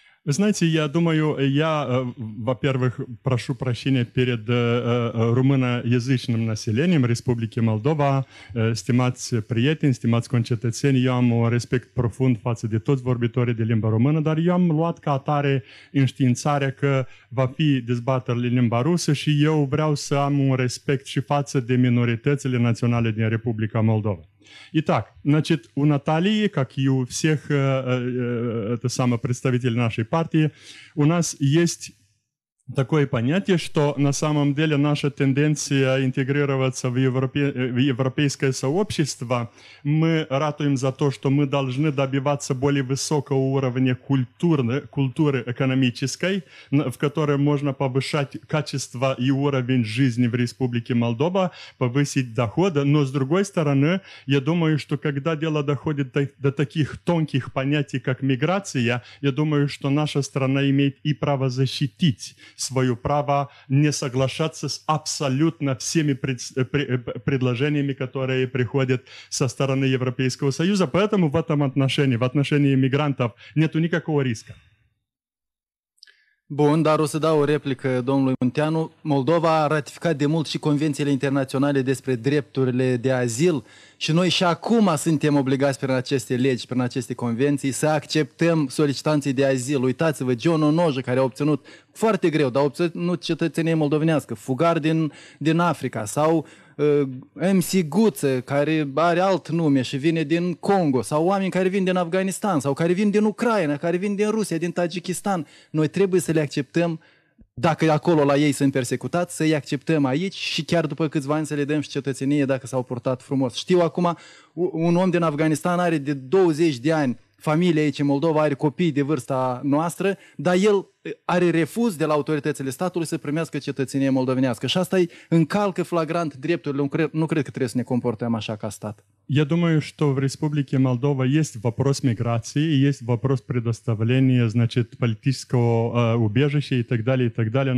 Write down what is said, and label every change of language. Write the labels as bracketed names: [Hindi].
[Russian] Знаете, я думаю, я, во-первых, прошу прощения перед румыноязычным населением Республики Молдова, [Romanian] стимать приятен, стимать кончетецени, я вам респект профунд față de toți vorbitori de limba română, dar eu am luat ca atare înștiințarea că va fi dezbatere în limba rusă și eu vreau să am un respect și față de minoritățile naționale din Republica Молдова. [Russian] Итак, значит, у Натальи, как и у всех это самое, представителей нашей партии, у нас есть такое понятие, что на самом деле наша тенденция интегрироваться в европейское сообщество, мы ратуем за то, что мы должны добиваться более высокого уровня культуры экономической, в которой можно повышать качество и уровень жизни в Республике Молдова, повысить доходы. Но с другой стороны, я думаю, что когда дело доходит до таких тонких понятий, как миграция, я думаю, что наша страна имеет и право защитить свое право не соглашаться с абсолютно всеми предложениями, которые приходят со стороны Европейского Союза. Поэтому в этом отношении, в отношении мигрантов, нет никакого риска. [Romanian] Bun, dar o să dau o replică domnului Munteanu. Moldova a ratificat de mult și convențiile internaționale despre drepturile de azil și noi și acum suntem obligați prin aceste legi, prin aceste convenții, să acceptăm solicitanții de azil. Uitați-vă, John Onoja, care a obținut foarte greu, dar a obținut cetățenie moldovenească, fugar din Africa, sau MC Guță, care are alt nume și vine din Congo, sau oameni care vin din Afganistan, sau care vin din Ucraina, care vin din Rusia, din Tajikistan. Noi trebuie să le acceptăm, dacă acolo la ei sunt persecutați, să-i acceptăm aici și chiar după câțiva ani să le dăm și cetățenie dacă s-au purtat frumos. Știu acum, un om din Afganistan are de 20 de ani familie aici în Moldova, are copii de vârsta noastră, dar el are refuz de la autoritățile statului să primească cetățenie moldovenească. Și asta încalcă flagrant drepturile. Nu cred că trebuie să ne comportăm așa ca stat. [Russian] Я думаю, что в Республике Молдова есть вопрос миграции, есть вопрос предоставления, значит, политического убежища и так далее, и так далее.